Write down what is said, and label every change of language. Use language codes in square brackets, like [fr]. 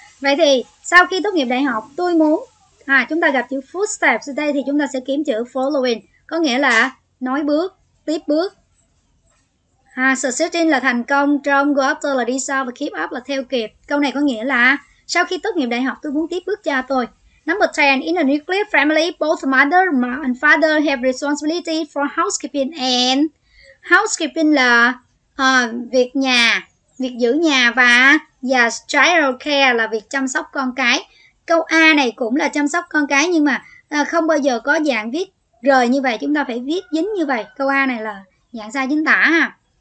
[vi] Vậy thì, sau khi tốt nghiệp đại học, tôi muốn, chúng ta gặp chữ footsteps ở đây thì chúng ta sẽ kiếm chữ following, có nghĩa là nói bước, tiếp bước. Succeeding là thành công, trong Go After là đi sau và Keep Up là theo kịp. Câu này có nghĩa là sau khi tốt nghiệp đại học tôi muốn tiếp bước cha tôi. [en] Number 10, in a nuclear family, both mother and father have responsibility for housekeeping and... [vi] Housekeeping là việc nhà, việc giữ nhà và child care là việc chăm sóc con cái. Câu A này cũng là chăm sóc con cái nhưng mà không bao giờ có dạng viết rời như vậy. Chúng ta phải viết dính như vậy. Câu A này là dạng sai chính tả ha.